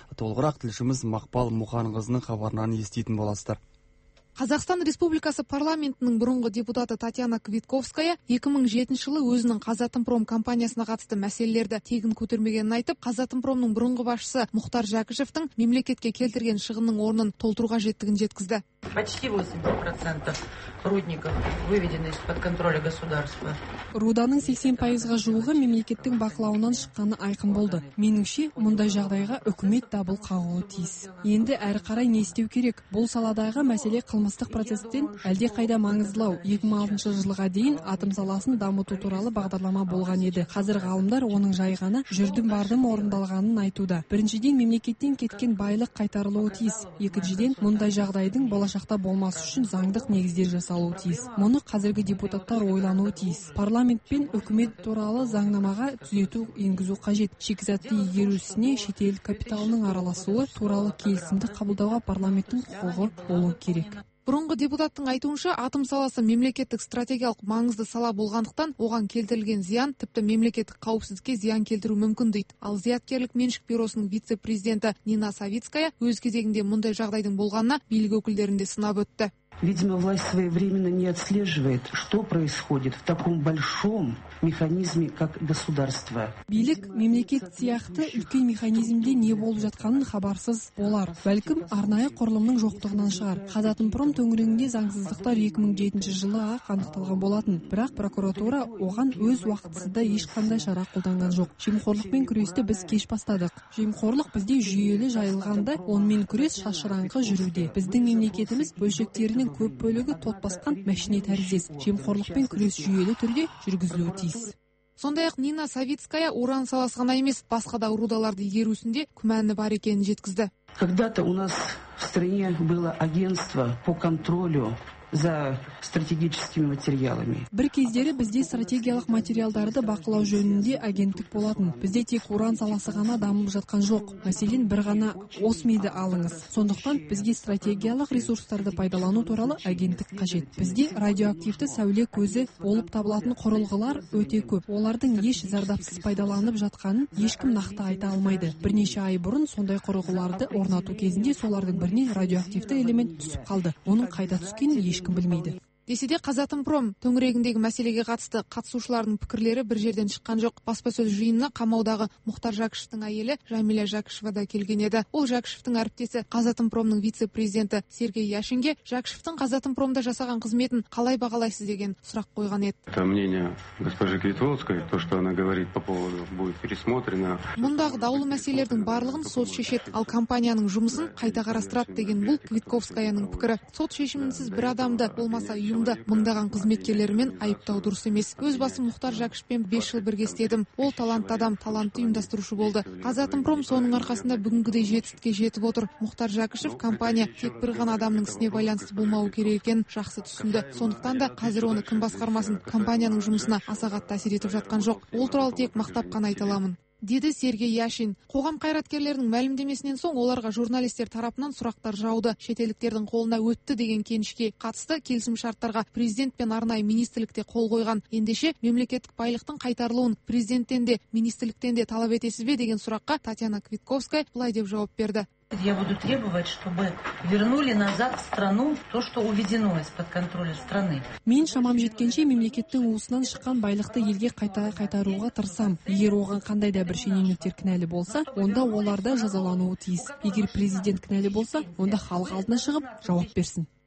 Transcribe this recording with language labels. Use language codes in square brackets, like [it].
[kk] Толығырақ тілшіміз Мақпал Мұханқызының хабарынан еститін боласыздар. Қазақстан Республикасы парламентінің бұрынғы депутаты Татьяна Квитковская 2007 жылы өзінің Қазатомпром компаниясына қатысты мәселелерді тегін көтермегенін айтып, Қазатомпромның бұрынғы басшысы Мұхтар Жәкішевтің мемлекетке келтірген шығынның орнын толтыруға жеттігін жеткізді. [ru] Почти 80% рудников выведены из-под контроля государства. [kk] Руданың 80%-ға жуығы мемлекеттің бақылауынан шыққаны айқын болды. Меніңше, мұндай жағдайға үкімет дабыл қағуы тиіс. Енді әрі қарай не істеу керек? Бұл саладағы мәселе қылмыстық процестен әлде қайда маңыздылау. 2006 жылға дейін атом саласын дамыту туралы бағдарлама болған еді. Қазір ғалымдар оның жайғаны жүрдім бардым орындалғанын айтуда. Біріншіден мемлекеттен кеткен байлық қайтарылуы тиіс. Екіншіден мұндай жағдайдың болашақта болмас үшін заңдық негіздер жасалуы тиіс. Мұны қазіргі депутаттар ойлануы тиіс. Парламент пен үкімет туралы заңнамаға түзету енгізу қажет. Шикізатты игерісіне шетел капиталының араласуы туралы келісімді қабылдауға парламенттің құқығы болуы керек. Бұрынғы депутаттың айтуынша, атом саласы мемлекеттік стратегиялық маңызды сала болғандықтан, оған келтірілген зиян тіпті мемлекеттік қауіпсіздікке зиян келтіру мүмкін дейді. Ал зияткерлік меншік бюросының вице-президенті Нина Савицкая өз кезегінде мұндай жағдайдың болғанына билік өкілдерінде сынап өтті. [ru] Видимо, власть своевременно не отслеживает, что происходит в таком большом механизме, как государство. [kk] Билік мемлекет сияқты үлкен механизмде не болып жатқанын хабарсыз болар. Бәлкім арнайы құрылымның жоқтығынан шығар. Қазатомпром төңірегінде заңсыздықтар 2007 жылы анықталған болатын. Бірақ прокуратура оған өз уақытысында ешқандай шара қолданған жоқ. Жемқорлықпен күресті біз кеш бастадық. Жемқорлық бізде жүйелі жайылғанда, онымен күрес шашыраңқы жүруде. Біздің мемлекетіміз бөлшектері көп бөлігі тот басқан мәшіне тәріздес. Жемқорлықпен күрес жүйелі түрде жүргізілуі тиіс. Сондай-ақ Нина Савицкая уран саласы ғана емес, басқа да рудаларды игерісінде күмәні бар екенін жеткізді. [ru] Когда-то у нас в стране было агентство по контролю за стратегическими материалами. [kk] Бір кездері бізде стратегиялық материалдарды бақылау жөнінде агенттік болатын. Бізде тек уран саласы ғана дамып жатқан жоқ. Мәселен, бір ғана осмиді алыңыз. Сондықтан бізге стратегиялық ресурстарды пайдалану туралы агенттік қажет. Бізде радиоактивті сәуле көзі болып табылатын құрылғылар өте көп. Олардың еш зардапсыз пайдаланып жатқанын ешкім нақты айта алмайды. Бірнеше ай бұрын сондай құрылғыларды орнату кезінде солардың біріне радиоактивті элемент түсіп қалды. Оның қайда түскенін ешкім білмейді. Десе де Қазатомпром төңірегіндегі мәселеге қатысты қатысушылардың пікірлері бір жерден шыққан жоқ. Баспасөз жиынына қамаудағы Мұхтар Жәкішевтің әйелі Жәмила Жәкішева да келген еді. Ол Жәкішевтің әріптесі Қазатомпромның вице-президенті Сергей Яшинге Жәкішевтің Қазатомпромда жасаған қызметін қалай бағалайсыз деген сұрақ қойған еді. [ru] Это мнение госпожи Квитовской, то, что она говорит по поводу будет пересмотрено. [kk] Мұндағы даулы мәселелердің барлығын сот шешеді, ал компанияның жұмысын қайта қарастырады деген бұл Квитковскаяның пікірі. Сот шешімінсіз бір адамды болмаса ұйымда мұндаған қызметкерлерімен айыптау дұрыс емес. Өз басым Мұхтар Жәкішевпен 5 жыл бірге істедім. Ол талантты адам, талантты ұйымдастырушы болды. Қазатомпром соның арқасында бүгінгідей жетістікке жетіп отыр. Мұхтар Жәкішев компания тек бір ғана адамның ісіне байланысты болмауы керек екенін жақсы түсінді. Сондықтан да қазір оны кім басқармасын, компанияның жұмысына аса қатты әсер етіп жатқан жоқ. Ол туралы тек мақтап қана айта аламын. Деді Сергей Яшин. Қоғам қайраткерлерінің мәлімдемесінен соң оларға журналистер тарапынан сұрақтар жауды. Шетелдіктердің қолына өтті деген кенішке қатысты келісім шарттарға президент пен арнайы министрлікте қол қойған. Ендеше мемлекеттік байлықтың қайтарылуын президенттен де министрліктен де талап етесіз бе деген сұраққа Татьяна Квитковская былай деп жауап берді. [ru] Я буду требовать, чтобы вернули назад страну то, что уведено из-под контроля страны. [kk] Мен шамам жеткенше мемлекеттің уысынан шыққан байлықты елге қайтаруға тырсам. Егер оған қандай да бір шенеуніктер кінәлі болса, онда оларда жазалануы тиіс. Егер президент кінәлі болса, онда халық алдына шығып жауап берсін.